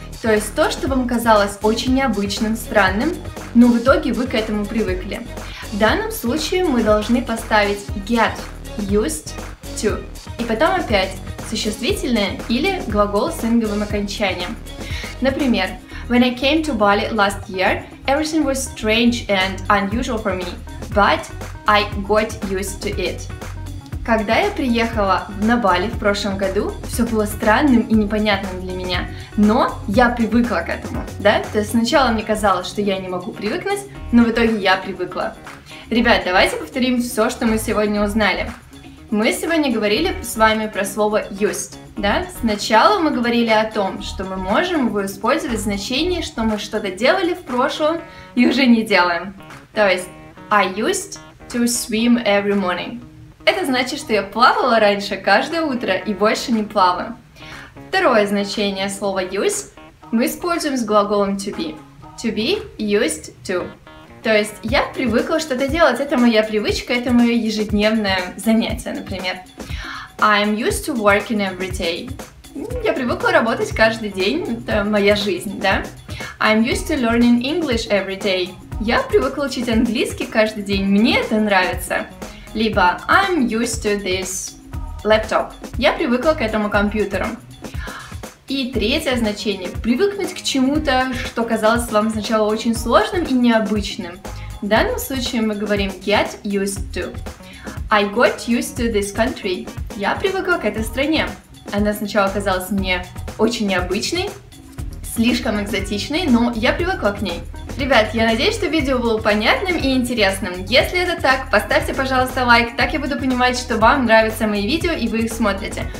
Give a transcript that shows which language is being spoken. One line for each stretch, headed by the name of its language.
Russian: То есть то, что вам казалось очень необычным, странным, но в итоге вы к этому привыкли. В данном случае мы должны поставить get, used, to. И потом опять существительное или глагол с инговым окончанием. Например,
English: when I came to Bali last year, everything was strange and unusual for me, but I got used to it.
Russian: Когда я приехала на Бали в прошлом году, все было странным и непонятным для меня, но я привыкла к этому, да? То есть сначала мне казалось, что я не могу привыкнуть, но в итоге я привыкла. Ребят, давайте повторим все, что мы сегодня узнали. Мы сегодня говорили с вами про слово used, да? Сначала мы говорили о том, что мы можем его использовать в значении, что мы что-то делали в прошлом и уже не делаем. То есть
English: I used to swim every morning.
Russian: Это значит, что я плавала раньше каждое утро и больше не плаваю. Второе значение слова use мы используем с глаголом to be.
English: To be, used to.
Russian: То есть я привыкла что-то делать, это моя привычка, это мое ежедневное занятие, например.
English: I'm used to working every day.
Russian: Я привыкла работать каждый день, это моя жизнь, да?
English: I'm used to learning English every day.
Russian: Я привыкла учить английский каждый день, мне это нравится. Либо
English: I'm used to this laptop.
Russian: Я привыкла к этому компьютеру. И третье значение. Привыкнуть к чему-то, что казалось вам сначала очень сложным и необычным. В данном случае мы говорим get used to.
English: I got used to this country.
Russian: Я привыкла к этой стране. Она сначала казалась мне очень необычной, слишком экзотичной, но я привыкла к ней. Ребят, я надеюсь, что видео было понятным и интересным. Если это так, поставьте, пожалуйста, лайк, так я буду понимать, что вам нравятся мои видео и вы их смотрите.